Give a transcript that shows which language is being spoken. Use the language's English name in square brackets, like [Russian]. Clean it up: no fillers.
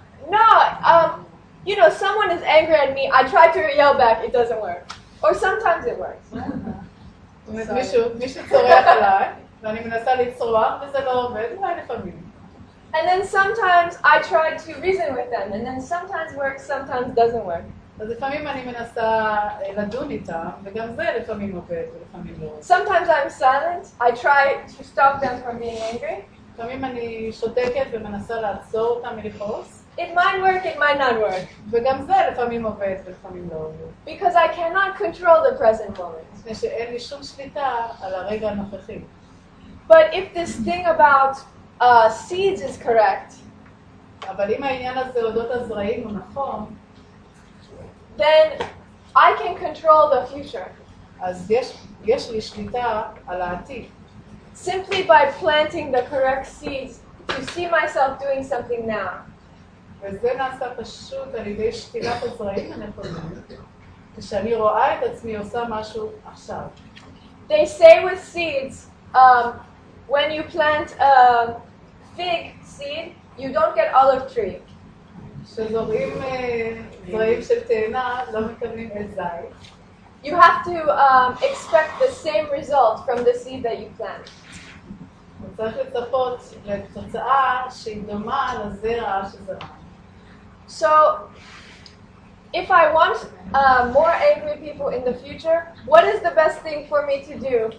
[English] No, you know, someone is angry at me. I try to yell back. It doesn't work. Or sometimes it works. [Hebrew] מישהו צורח עליי, ואני מנסה לצרוח, וזה לא עובד, אולי לפעמים. [English] And then sometimes I try to reason with them, and then sometimes works, sometimes doesn't work. [Hebrew] אז לפעמים אני מנסה לדון איתם, וגם זה לפעמים עובד, ולפעמים לא. [English] Sometimes I'm silent, I try to stop them from being angry. [Hebrew] לפעמים אני שותקת ומנסה לעצור אותם מלכעוס. [English] It might work, it might not work. [Hebrew] וגם זה לפעמים עובד, ולפעמים לא עובד. [English] Because I cannot control the present moment. [Hebrew] מפני שאין לי שום שליטה על הרגע הנוכחי. [English] But if this thing about seeds is correct. [Hebrew] אבל אם העניין הזה אודות הזרעים הוא נכון, [English] then I can control the future. [Hebrew] אז יש לי שליטה על העתיד. [English] Simply by planting the correct seeds to see myself doing something now. [Hebrew] וזה נעשה פשוט על ידי שתילת הזרעים הנכונים, כשאני רואה את עצמי עושה משהו עכשיו. [English] They say with seeds, when you plant fig seed, you don't get olive tree. [Hebrew] כשזורים זרעים של תאנה, לא מקבלים את זית. [English] You have to expect the same result from the seed that you plant. [Hebrew] צריך לצפות לתוצאה שהיא דומה לזרע שזרע. [English] So, if I want more angry people in the future, what is the best thing for me to do?